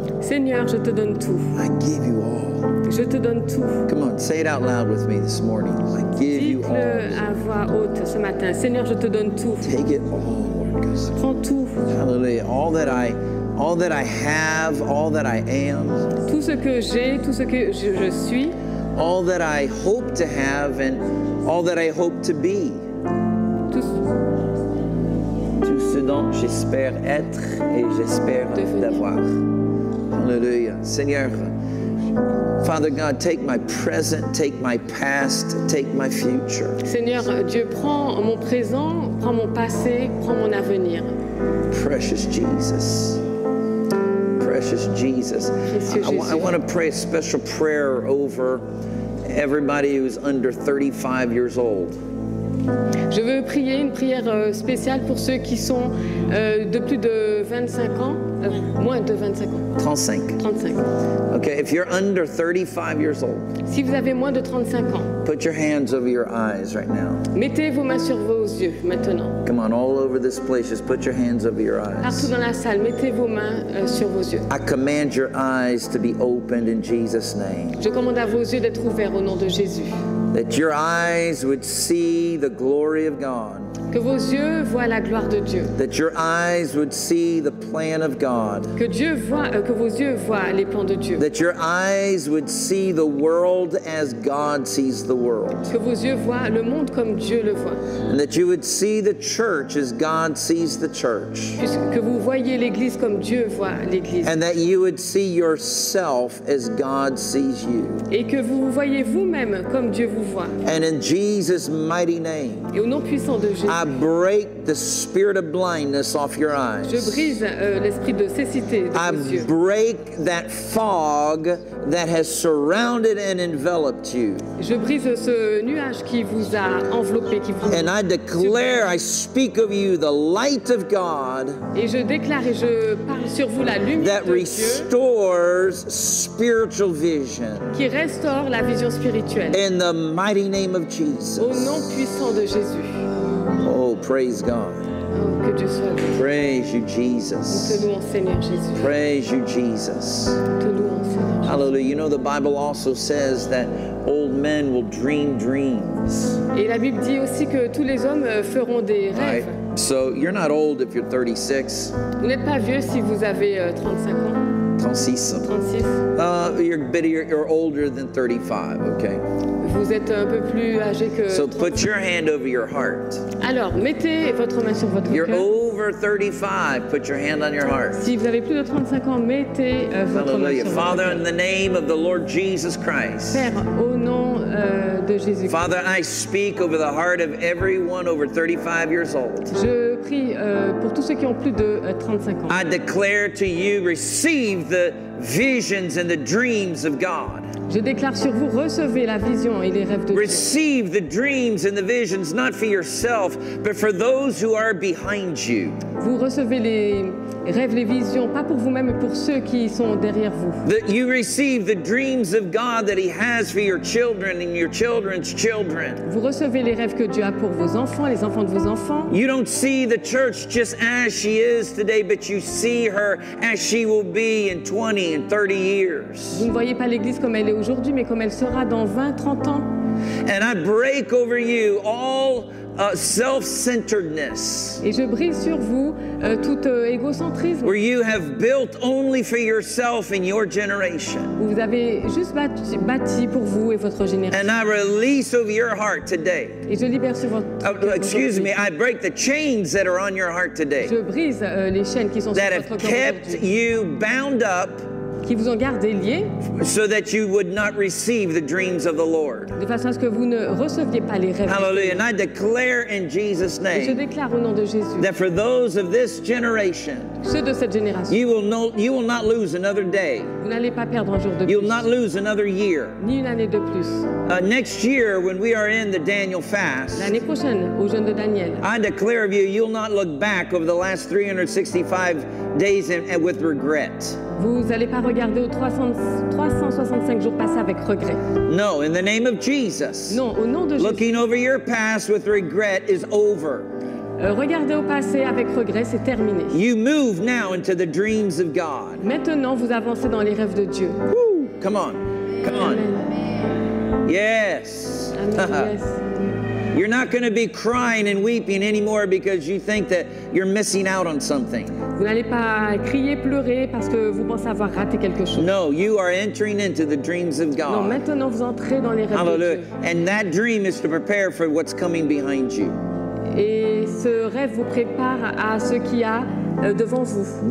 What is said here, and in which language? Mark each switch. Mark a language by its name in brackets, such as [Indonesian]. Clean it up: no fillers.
[French] Seigneur, je te donne tout. [English] I give you all. [French] Je te donne tout. [English] Come on, say it out loud with me this morning. I give you all. [French] Dites-le à voix haute ce matin. Seigneur, je te donne tout. [English] Take it all, Lord God. [French] Prends tout. [English] Hallelujah. All that I have, all that I am. [French] Tout ce que j'ai, tout ce que je suis. [English] All that I hope to have and all that I hope to be. [French] Tout ce dont j'espère être et j'espère d'avoir. Hallelujah. Seigneur. [English] Father God, take my present, take my past, take my future. [French] Seigneur Dieu, prends mon présent, prends mon passé, prends mon avenir. [English] Precious Jesus. Precious Jesus. I want to pray a special prayer over everybody who's under 35 years old. [French] Je veux prier une prière spéciale pour ceux qui sont de plus de 25 ans, moins de 25 ans. [English] 35. Okay, if you're under 35 years old. [French] Si vous avez moins de 35 ans. [English] Put your hands over your eyes right now. [French] Mettez vos mains sur vos yeux maintenant. [English] Come on, all over this place, just put your hands over your eyes. [French] Partout dans la salle, mettez vos mains sur vos yeux. [English] I command your eyes to be opened in Jesus' name. [French] Je commande à vos yeux d'être ouverts au nom de Jésus. [English] That your eyes would see the glory of God. [French] Que vos yeux voient la gloire de Dieu. [English] That your eyes would see the plan of God. [French] Que Dieu voit, que vos yeux voient les plans de Dieu. [English] That your eyes would see the world as God sees the world. [French] Que vos yeux voient le monde comme Dieu le voit. [English] And that you would see the church as God sees the church. [French] Que vous voyez l'église comme Dieu voit l'église. [English] And that you would see yourself as God sees you. [French] Et que vous voyez vous-même comme Dieu vous voit. [English] And in Jesus' mighty name. [French] Et au nom puissant de Jésus. [English] I break the spirit of blindness off your eyes. [French] Je brise, l'esprit de cécité de vos yeux. [English] I break that fog that has surrounded and enveloped you. [French] Je brise ce nuage qui vous a enveloppé, qui vous... [English] And I declare, I speak of you the light of God. [French] Et je déclare et je parle sur vous la lumière [English] that restores spiritual vision. [French] Qui restaure la vision spirituelle. [English] In the mighty name of Jesus. [French] Au nom puissant de Jésus. [English] Oh, praise God. Praise you, Jesus. Praise you, Jesus. Hallelujah. You know, the Bible also says that old men will dream dreams. [French] Et la Bible dit aussi que tous les hommes feront des rêves. [English] Right. So you're not old if you're 36. [French] Vous n'êtes pas vieux si vous avez 35 ans. [English] 36. You're older than 35, okay? [French] Vous êtes un peu plus âgé que 35. [English] So put your hand over your heart. [French] Alors, mettez votre main sur votre cœur. [English] You're [French] coeur. [English] Over 35, put your hand on your heart. [French] Si vous avez plus de 35 ans, mettez votre [English] Hallelujah. [French] Main sur [English] Father, [French] votre [English] cœur. In the name of the Lord Jesus Christ. [French] Père, au nom de Jésus-Christ. [English] Father, I speak over the heart of everyone over 35 years old. [French] Je prie pour tous ceux qui ont plus de 35 ans. [English] I declare to you, receive the visions and the dreams of God. [French] Je déclare sur vous, recevez la vision et les rêves de Dieu. [English] Receive the dreams and the visions, not for yourself, but for those who are behind you. [French] Vous recevez les rêves, les visions, pas pour vous-même, mais pour ceux qui sont derrière vous. [English] That you receive the dreams of God that He has for your children and your children's children. [French] Vous recevez les rêves que Dieu a pour vos enfants, les enfants de vos enfants. [English] You don't see the church just as she is today, but you see her as she will be in 20 and 30 years. [French] Vous ne voyez pas l'église comme elle est aujourd'hui, mais comme elle sera dans 20-30 ans. [English] And I break over you all self-centeredness. [French] Et je brise sur vous tout égocentrisme. [English] Where you have built only for yourself and your generation. [French] Où vous avez juste bâti pour vous et votre génération. [English] And I release over your heart today. [French] Et je libère sur votre cœur aujourd'hui. [English] Excuse me, I break the chains that are on your heart today. [French] Je brise les chaînes qui sont sur votre cœur aujourd'hui. [English] That have kept you bound up. [French] Qui vous ont gardé liés, [English] so that you would not receive the dreams of the Lord. [French] De façon à ce que vous ne receviez pas les rêves. [English] Hallelujah. And I declare in Jesus' name [French] je déclare au nom de Jésus, [English] that for those of this generation [French] ceux de cette génération. [English] You will not lose another day. [French] Vous n'allez pas perdre un jour de plus. [English] You'll not lose another year. [French] Ni une année de plus. [English] Next year, when we are in the Daniel fast, [French] l'année prochaine, au jeûne de Daniel, [English] I declare of you, you'll not look back over the last 365 days and with regret. [French] Vous n'allez pas regarder aux 365 jours passés avec regret. [English] No, in the name of Jesus. [French] Non, au nom de Jésus. [English] Looking over your past with regret is over. [French] Regardez au passé avec regret, c'est terminé. [English] You move now into the dreams of God. [French] Maintenant, vous avancez dans les rêves de Dieu. [English] Woo! Come on, come on. Amen. Yes. Amen. You're not going to be crying and weeping anymore because you think that you're missing out on something. [French] Vous n'allez pas crier, pleurer parce que vous pensez avoir raté quelque chose. [English] No, you are entering into the dreams of God. [French] Non, maintenant vous entrez dans les rêves [English] Hallelujah. [French] De Dieu. [English] And that dream is to prepare for what's coming behind you. [French] Et ce rêve vous prépare à ce qui a devant vous.